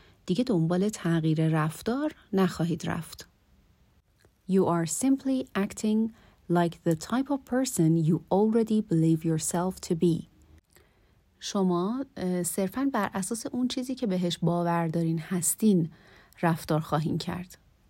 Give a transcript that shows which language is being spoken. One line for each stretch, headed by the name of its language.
Persian: دیگه دنبال تغییر رفتار نخواهید رفت.
English: You are simply acting like the type of person you already believe yourself to be.
Persian: شما صرفاً بر اساس اون چیزی که بهش باور دارین هستین رفتار خواهین کرد.